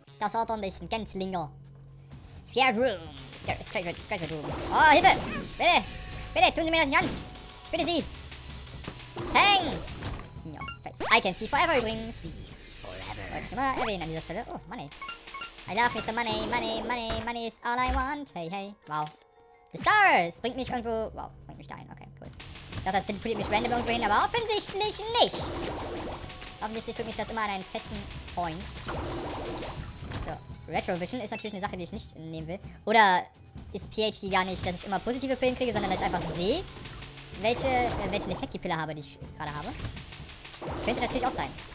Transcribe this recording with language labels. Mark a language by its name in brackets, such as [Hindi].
[German] Das Ort und ist ein Gänzlinger. Scared Room. Scared Room. Oh, Hilfe! Bitte! Bitte, tun Sie mir das nicht an! Bitte Sie! Hang! I can see forever übrigens. Wollte ich nur mal erwähnen an dieser Stelle. [English] Oh, Money. I love Mr. Money, Money, Money, Money is all I want. Hey, hey. Wow. [German] The Stars bringt mich irgendwo. Wow, bringt mich da hin. Okay, cool. Ich dachte, das teleportiert mich random irgendwo hin, aber offensichtlich nicht. Offensichtlich bringt mich das immer an einen festen Point. So, Retrovision ist natürlich eine Sache, die ich nicht nehmen will. Oder ist PhD gar nicht, dass ich immer positive Pillen kriege, sondern dass ich einfach sehe, welchen Effekt die Pille habe, die ich gerade habe. Das könnte natürlich auch sein.